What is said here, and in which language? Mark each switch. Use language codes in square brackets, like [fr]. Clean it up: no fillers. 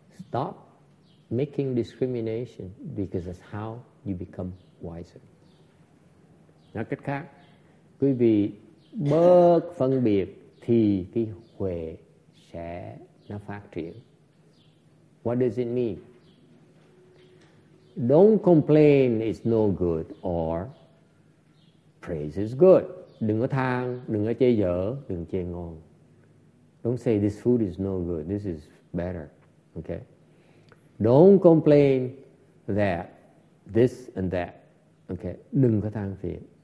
[en] Stop making discrimination because that's how you become wiser. [vi] Nói cách khác, quý vị bớt phân biệt thì cái huệ sẽ nó phát triển. [en] What does it mean? Don't complain it's no good or praise is good. [vi] Đừng có than, đừng có chê dở, đừng chê ngon. [en] Don't say this food is no good, this is better. Okay? Don't complain that this and that. Okay? [vi] Đừng có than phiền.